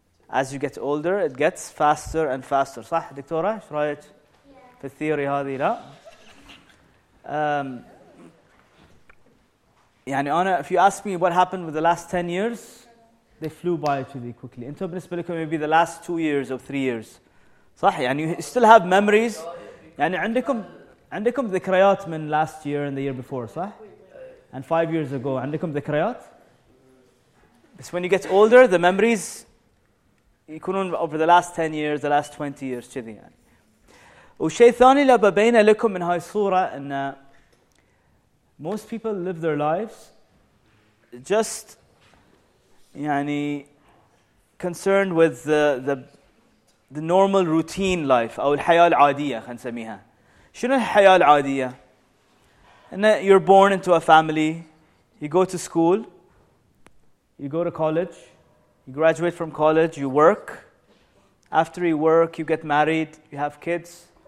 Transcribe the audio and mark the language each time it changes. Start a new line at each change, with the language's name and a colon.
English: As you get older, it gets faster and faster.
Arabic: صح دكتورة, إيش رأيك في الثيوري هذه؟ لا. يعني أنا,
English: if you ask me what happened with the last 10 years, they flew by really quickly.
Arabic: أنتوا بالنسبة لكم
English: maybe the last 2 years or 3 years. صح, يعني you still have memories.
Arabic: يعني عندكم ذكريات من
English: last year and the year before. صح, and 5 years ago
Arabic: عندكم ذكريات.
English: But when you get older, the memories يكونون over the last 10 years, the last 20 years
Arabic: كذي يعني. وشيء ثاني اللي ببينه لكم من هاي الصورة إن
English: most people live their lives just
Arabic: يعني
English: concerned with the normal routine life
Arabic: أو الحياة العادية, خلينا نسميها. شنو الحياة العادية؟ إن
English: you're born into a family, you go to school, you go to college, you graduate from college, you work. After you work, you get married, you have kids.